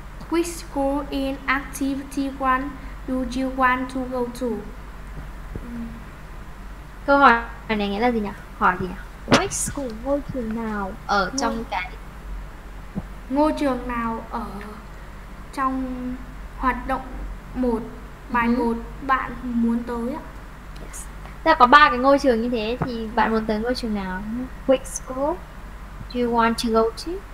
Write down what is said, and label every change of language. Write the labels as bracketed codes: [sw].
[en] Which school in activity 1 do you want to go to? [vi] Câu hỏi này nghĩa là gì nhỉ? Hỏi gì nhỉ? Which school, ngôi trường nào ở trong cái... Ngôi trường nào ở trong hoạt động 1, bài 1 bạn muốn tới ạ? Thế là có 3 cái ngôi trường như thế thì bạn muốn tới ngôi trường nào? [en] Which school do you want to go to?